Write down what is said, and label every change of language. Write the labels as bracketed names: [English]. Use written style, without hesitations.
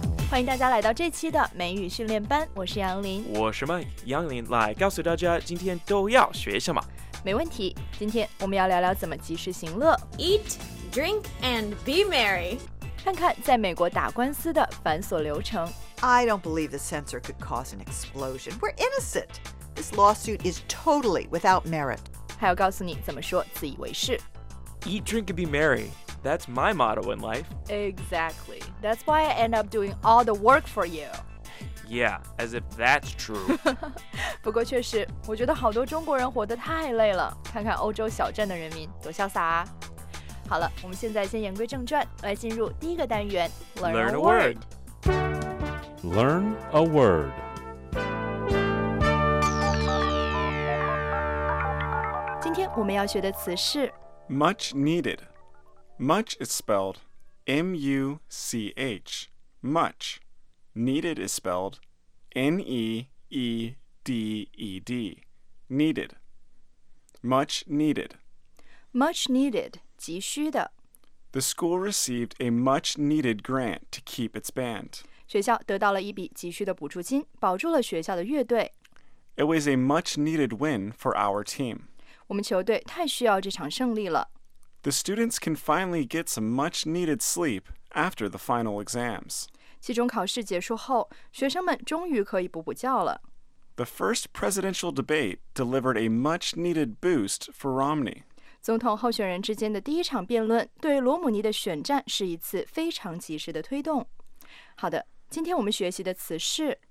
[Chinese] 欢迎大家来到这期的美语训练班，我是杨林。我是麦杨林，来告诉大家今天都要学什么。没问题，今天我们要聊聊怎么及时行乐。 [English] Eat, drink and be merry。 [Chinese] 看看在美国打官司的繁琐流程。 [English] I don't believe the censor could cause an explosion. We're innocent. This lawsuit is totally without merit. [Chinese] 还要告诉你怎么说自以为是。 [English] Eat, drink and be merry. That's my motto in life. Exactly. That's why I end up doing all the work for you. Yeah, as if that's true. [Chinese] 不过确实，我觉得好多中国人活得太累了。看看欧洲小镇的人民多潇洒啊！好了，我们现在先言归正传，来进入第一个单元 [English] ，Learn a word. Learn a word. Learn a word. [Chinese] 今天我们要学的词是 [English] much needed. Much is spelled M-U-C-H. Much. Needed is spelled N-E-E-D-E-D. Needed. Much needed. Much needed. [Chinese] 急需的。 [English] The school received a much needed grant to keep its band. [Chinese] 学校得到了一笔急需的补助金，保住了学校的乐队。 [English] It was a much needed win for our team. [Chinese] 我们球队太需要这场胜利了。 [English] The students can finally get some much needed sleep after the final exams. [Chinese] 期中考试结束后，学生们终于可以补补觉了。 [English] The first presidential debate delivered a much-needed boost for Romney. [Chinese] 总统候选人之间的第一场辩论对罗姆尼的选战是一次非常及时的推动。好的，今天我们学习的词是